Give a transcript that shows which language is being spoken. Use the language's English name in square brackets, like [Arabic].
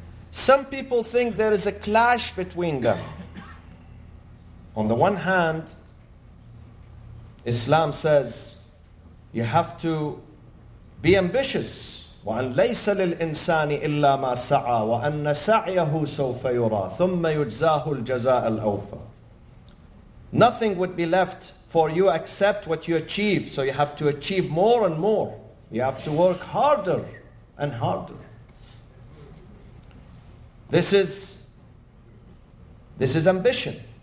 [English] Some people think there is a clash between them. On the one hand, Islam says you have to be ambitious [Arabic] وأن ليس للإنسان إلا ما سعى وأن سعيه سوف يرى ثم يجزاه الجزاء الأوفى. [English] Nothing would be left for you except what you achieve. So you have to achieve more and more. You have to work harder and harder. This is ambition.